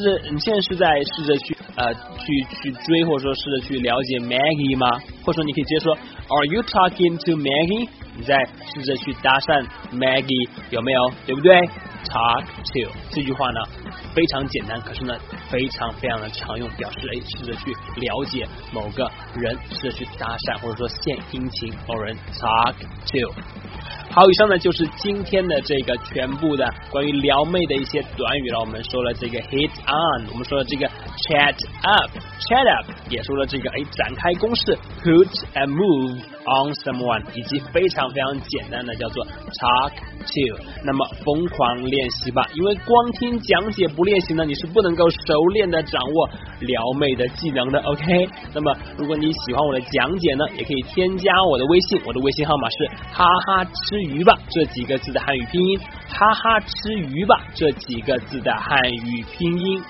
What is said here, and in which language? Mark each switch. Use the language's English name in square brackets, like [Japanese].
[Chinese] 你现在是在试着去追，或者说试着去了解 Maggie 吗？或者说你可以直接说 [English] Are you talking to Maggie? [Chinese] 你在试着去搭讪 Maggie 有没有，对不对？ Talk to 这句话呢非常简单，可是呢非常非常的常用，表示试着去了解某个人，试着去搭讪，或者说献殷勤某人。 [English] Talk to。 [Chinese] 好，以上呢就是今天的这个全部的关于撩妹的一些短语了。我们说了这个 hit on， 我们说了这个 chat up， chat up 也说了这个哎，展开攻势 [English] put a move on someone， [Chinese] 以及非常非常简单的叫做 talk to。那么疯狂练习吧，因为光听讲解不练习呢，你是不能够熟练的掌握撩妹的技能的。 OK， 那么如果你喜欢我的讲解呢，也可以添加我的微信，我的微信号码是哈哈吃鱼吧这几个字的汉语拼音，哈哈吃鱼吧这几个字的汉语拼音。